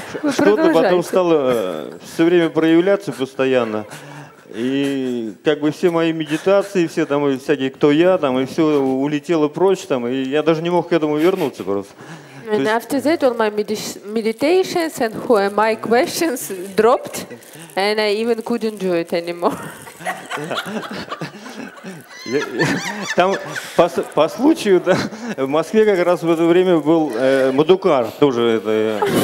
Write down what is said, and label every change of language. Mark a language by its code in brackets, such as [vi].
[ru] Что-то потом стало все время проявляться постоянно. И как бы все мои медитации, все там всякие, кто я, там, и все улетело прочь, там, и я даже не мог к этому вернуться просто. [en] And after that, all my meditations and who am I questions dropped, and I even couldn't do it anymore. [ru] Там по случаю, да, в Москве как раз в это время был Мадукар тоже это.